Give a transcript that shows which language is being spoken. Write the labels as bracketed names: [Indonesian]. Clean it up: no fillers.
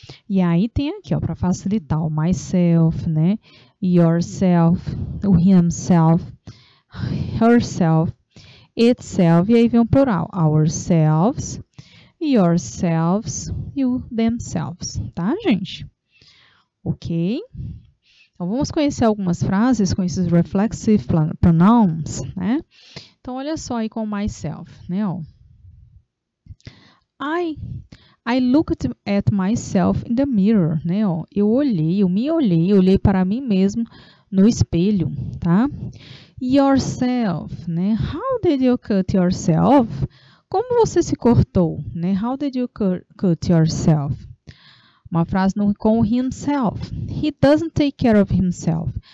[Portuguese] E aí tem aqui, ó, para facilitar, o myself, né, yourself, o himself, herself, itself, e aí vem o plural, ourselves, yourselves e you themselves, tá, gente? Ok? Então, vamos conhecer algumas frases com esses reflexive pronouns, né? Então, olha só aí com myself, né? [English] I looked at myself in the mirror, né? [Portuguese] Eu olhei para mim mesmo no espelho, tá? [English] Yourself, né? How did you cut yourself? [Portuguese] Como você se cortou, [English] né? How did you cut yourself? [Portuguese] Uma frase com [English] himself. He doesn't take care of himself.